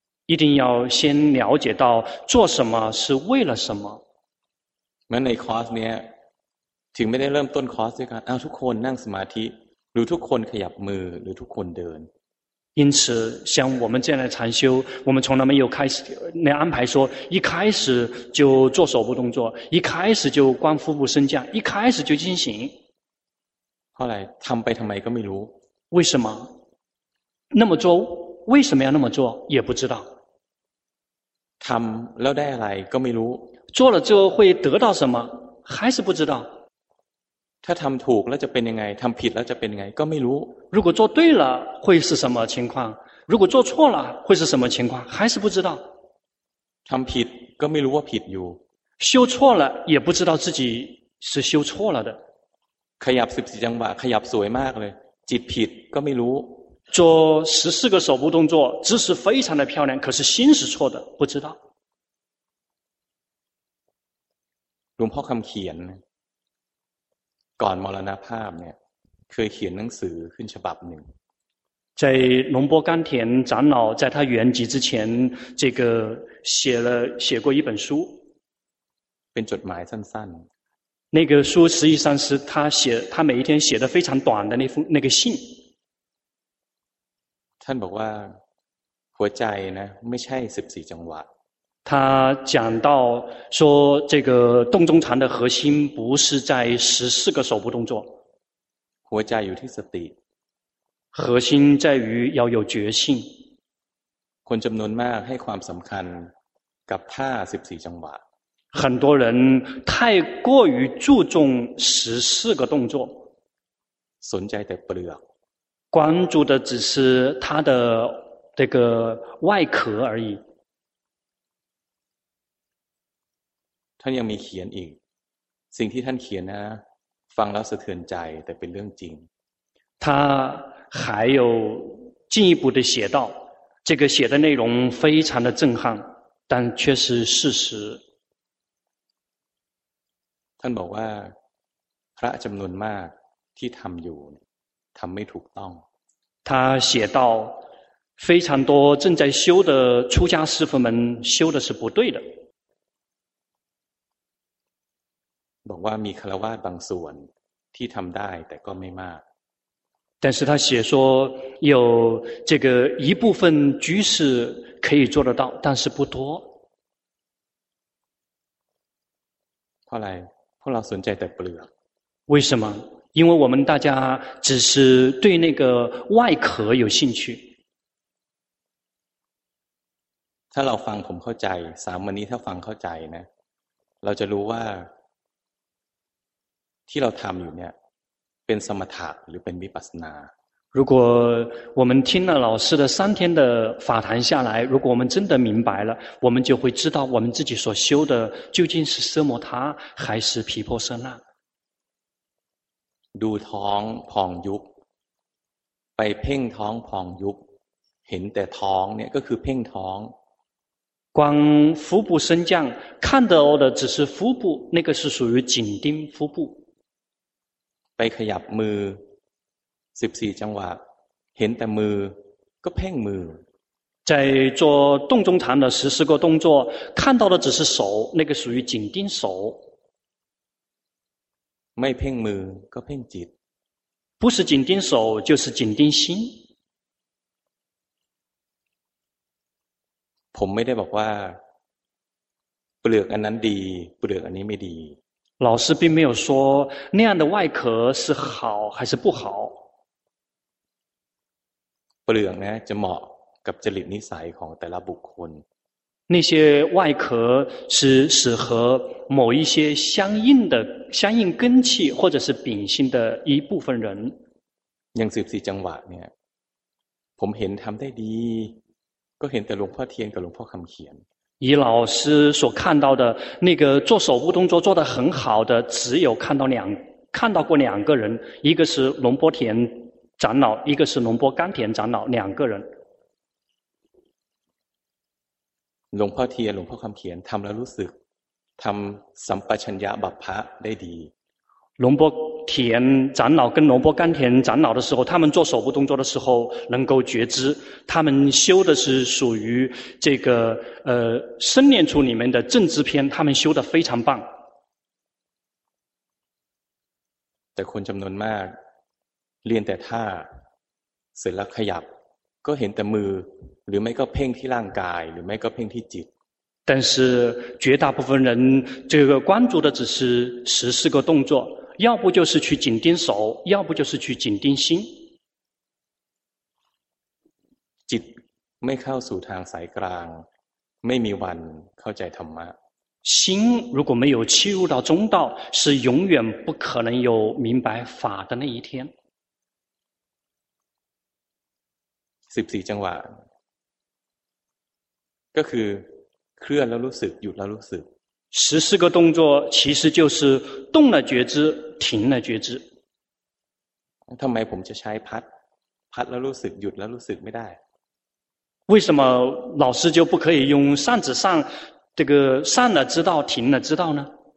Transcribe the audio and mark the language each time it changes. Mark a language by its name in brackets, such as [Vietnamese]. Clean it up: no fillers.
[Chinese] 一定要先了解到做什么是为了什么 [Thai] แม้ในคอร์สเนี้ยถึงไม่ได้เริ่มต้นคอร์สด้วยกันเอาทุกคนนั่งสมาธิหรือทุกคนขยับมือหรือทุกคนเดิน [Chinese] 因此像我们这样的禅修我们从来没有开始那安排说一开始就做手部动作一开始就观腹部升降一开始就进行后来 [Thai] ทำไปทำไมก็ไม่รู้ [Chinese] 为什么那么做为什么要那么做也不知道 [Thai] ทำแล้วได้อะไรก็ไม่รู้ [Chinese] 做了之后会得到什么还是不知道 [Thai] ถ้าทำถูกแล้วจะเป็นยังไงทำผิดแล้วจะเป็นยังไงก็ไม่รู้ [Chinese] 如果做对了会是什么情况如果做错了会是什么情况还是不知道 [Thai] ทำผิดก็ไม่รู้ว่าผิดอยู่ [Chinese] 修错了也不知道自己是修错了的 [Thai] ขยับ14จังหวะขยับสวยมากเลยจิตผิดก็ไม่รู้ [Chinese] 做十四个手部动作姿势非常的漂亮可是心是错的不知道 [Thai] หลวงพ่อคำเขียนก่อนมรณภาพเนี่ยเคยเขียนหนังสือขึ้นฉบับหนึ่ง [Chinese] 在龙波甘田长老在他圆寂之前这个写过一本书 [Thai] เป็นจดหมายสั้น [Chinese] ๆ那个书实际上是他每一天写的非常短的那封那个信 [Thai] ท่านบอกว่า หัวใจนะไม่ใช่14จังหวะ [Chinese] 他讲到说这个动中禅的核心不是在14个手部动作 [Thai] หัวใจอยู่ที่สติ [Chinese] 核心在于要有觉性 [Thai] คนจำนวนมากให้ความสำคัญกับท่า14จังหวะ [Chinese] 很多人太过于注重14个动作 [Thai] สนใจแต่เปลือก [Chinese] 关注的只是他的这个外壳而已 [Thai] ท่านยังมีเขียนอีกสิ่งที่ท่านเขียนนะฟังแล้วสะเทือนใจแต่เป็นเรื่องจริง [Chinese] 他还有进一步的写到这个写的内容非常的震撼但却是事实 [Thai] ท่านบอกว่าพระจำนวนมากที่ทำอยู่ทำไม่ถูกต้อง [Chinese] 他写到非常多正在修的出家师父们修的是不对的 [Thai] บอกว่ามีฆราวาสบางส่วนที่ทำได้แต่ก็ไม่มาก [Chinese] 但是他写说有这个一部分居士可以做得到但是不多 [Thai] เพราะอะไรพวกเราสนใจแต่เปลือก [Chinese] 为什么因为我们大家只是对那个外壳有兴趣 [Thai] ถ้าเราฟังผมเข้าใจสามวันนี้ถ้าฟังเข้าใจนะเราจะรู้ว่าที่เราทำอยู่เนี่ยเป็นสมถะหรือเป็นวิปัสสนา [Chinese] 如果我们听了老师的三天的法谈下来如果我们真的明白了我们就会知道我们自己所修的究竟是奢摩他还是毗婆舍那 [Thai] ดูท้องพองยุบไปเพ่งท้องพองยุบเห็นแต่ท้องเนี่ยก็คือเพ่งท้อง [Chinese] 光腹部升降看得的只是腹部那个是属于紧盯腹部 [Thai] ไปขยับมือ14จังหวะเห็นแต่มือก็เพ่งมือ [Chinese] 在做动中禅的14个动作看到的只是手那个属于紧盯手 [Thai] ไม่เพ่งมือก็เพ่งจิต [Chinese] 不是紧盯手就是紧盯心 [Thai] ผมไม่ได้บอกว่าเปลือกอันนั้นดีเปลือกอันนี้ไม่ดี [Chinese] 老师并没有说那样的外壳是好还是不好 [Thai] เปลือกนะจะเหมาะกับจริตนิสัยของแต่ละบุคคล [Chinese] 那些外壳是适合某一些相应的相应根器或者是秉性的一部分人 [Thai] อย่าง14จังหวะเนี่ยผมเห็นทำได้ดีก็เห็นแต่หลวงพ่อเทียนกับหลวงพ่อคำเขียน [Chinese] 以老师所看到的那个做手部动作做得很好的只有看到过两个人一个是龙波田长老一个是龙波甘田长老两个人 [Thai] หลวงพ่อเทียนหลวงพ่อคำเขียนทำแล้วรู้สึกทำสัมปชัญญะบัพพะได้ดี [Chinese] 龙波田长老跟龙波甘田长老的时候他们做手部动作的时候能够觉知他们修的是属于这个生念处里面的正知篇他们修的非常棒 [Thai] แต่คนจำนวนมากเรียนแต่ท่าเสร็จแล้วขยับก็เห็นแต่มือหรือไม่ก็เพ่งที่ร่างกายหรือไม่ก็เพ่งที่จิต แต่ [Chinese] 是绝大部分人这个关注的只是十四个动作要不就是去紧盯手要不就是去紧盯心 [Thai] จิตไม่เข้าสู่ทางสายกลางไม่มีวันเข้าใจธรรมะ [Chinese] 心如果没有契入到中道是永远不可能有明白法的那一天 [Thai] สิบสี่จังหวะก็คือเคลื่อนแล้วรู้สึกหยุดแล้วรู้สึก [Chinese] 十四个动作其实就是动了觉知停了觉知 [Thai] ทำไมผมจะใช้พัดแล้วรู้สึกหยุดแล้วรู้สึกไม่ได้ [Chinese] 为什么老师就不可以用扇子上这个扇了知道停了知道呢